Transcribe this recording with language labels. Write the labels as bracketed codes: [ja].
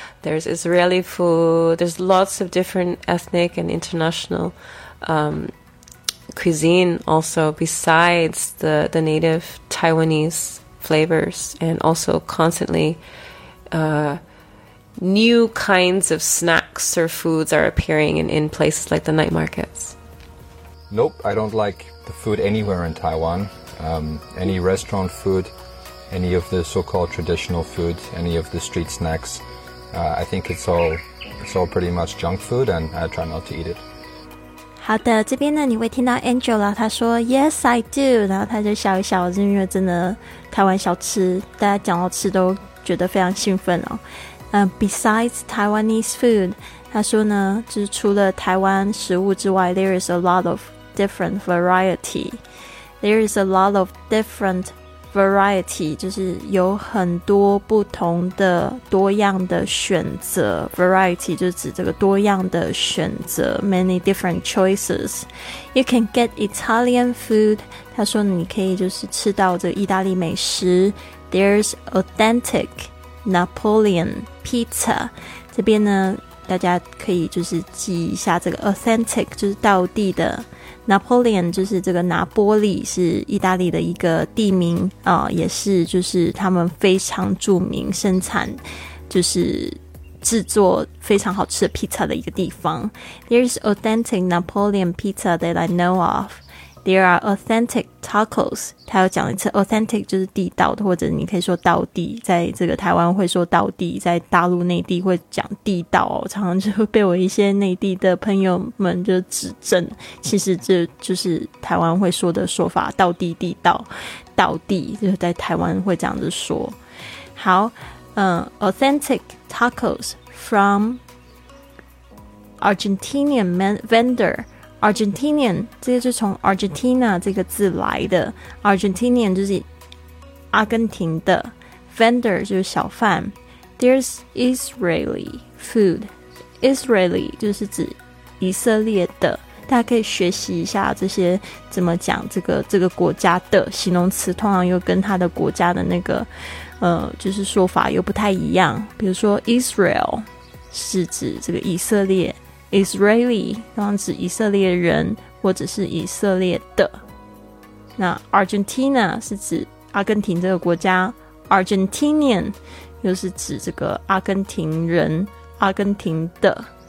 [en] There's Israeli food. There's lots of different ethnic and international cuisine also besides the native Taiwanese flavors, and also constantly new kinds of snacks or foods are appearing in places like the night markets. Nope, I don't like the food anywhere in Taiwan. Any restaurant food, any of the so-called traditional food, any of the street snacks, I think it's all pretty much junk food, and I try not to eat it. [zh] 好的，这边呢你会听到 Angela 她说 [en] Yes, I do. [zh] 然后她就笑一笑，因为真的台湾小吃，大家讲到吃都觉得非常兴奋哦。 [en] Besides Taiwanese food, [zh] 他说呢，就是除了台湾食物之外 [en] ，there is a lot of different variety. There is a lot of different variety, [zh] 就是有很多不同的多样的选择。 Variety 就指这个多样的选择 ， [en] many different choices. You can get Italian food. [zh] 他说你可以就是吃到这意大利美食。 [en] There's authentic. [zh] Napoleon Pizza， 这边呢大家可以就是记一下这个 authentic 就是道地的， Napoleon 就是这个拿波利，是意大利的一个地名啊，也是就是他们非常著名生产就是制作非常好吃的 pizza 的一个地方。 [en] There's authentic Napoleon Pizza that I know ofThere are authentic tacos. [zh] 他有讲一次 authentic 就是地道的，或者你可以说道地，在这个台湾会说道地，在大陆内地会讲地道，常常就会被我一些内地的朋友们就指正，其实这就是台湾会说的说法，道地地道道地，就是在台湾会这样子说。好， [en] authentic tacos from Argentinian vendorArgentinian， [zh] 这个是从 Argentina 这个字来的。 Argentinian 就是阿根廷的 ，vendor 就是小贩。 [en] There's Israeli food， [zh] Israeli 就是指以色列的。大家可以学习一下这些怎么讲这个国家的形容词，通常又跟它的国家的那个就是说法又不太一样。比如说 Israel 是指这个以色列。 Israeli 通常指以色列人或者是以色列的，那 Argentina 是指阿根廷这个国家， Argentinian 又是指这个阿根廷人阿根廷的。